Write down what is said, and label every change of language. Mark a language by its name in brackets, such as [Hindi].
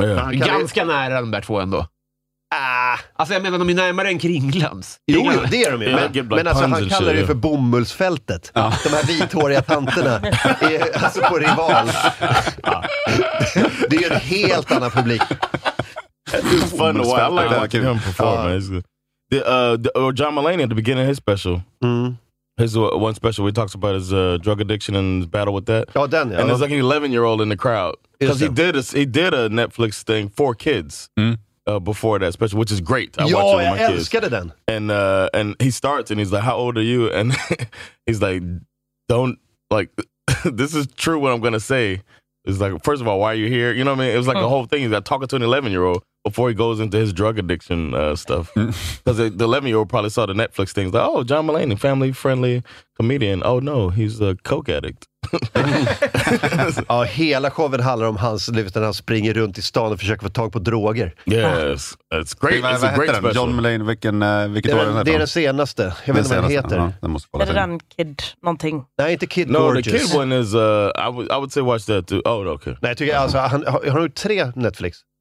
[Swedish] Ganska nära de där två ändå. Alltså jag menar, de är närmare än kringlans. Jo, det är de ju. Men alltså, han kallar det ju för bomullsfältet. Ja. De här vithåriga tanterna är alltså på Rival. Det är ju en helt annan publik. [English] It's fun to watch. I like that. Like him perform. John Mulaney at the beginning of his special. His one special where he talks about his drug addiction and his battle with that. Oh, then, and there's like an 11-year-old in the crowd. Because he did a Netflix thing for kids before that special, which is great. I watched it with my kids. And he starts and he's like, how old are you? And he's like, don't, like, this is true what I'm going to say. It's like, first of all, why are you here? You know what I mean? It was like the whole thing. He's like talking to an 11-year-old before he goes into his drug addiction stuff. Because the 11-year-old probably saw the Netflix things. Like, oh, John Mulaney, family-friendly comedian. Oh, no, he's a coke addict. [Swedish] Ja, hela showen handlar om hans liv när han springer runt i stan och försöker få tag på droger. [English] Yes, it's great. It's [Swedish] vad heter [English] great [Swedish] den? John Mulaney, vilket det år är den här? Det är den senaste. Jag vet inte vad den heter. Den måste kolla. Är det den Kid någonting? Nej, inte Kid [English] Gorgeous. No, the Kid one is, I would say watch that too. Oh, okay. [Swedish] Nej, jag tycker alltså, han har ju tre Netflix.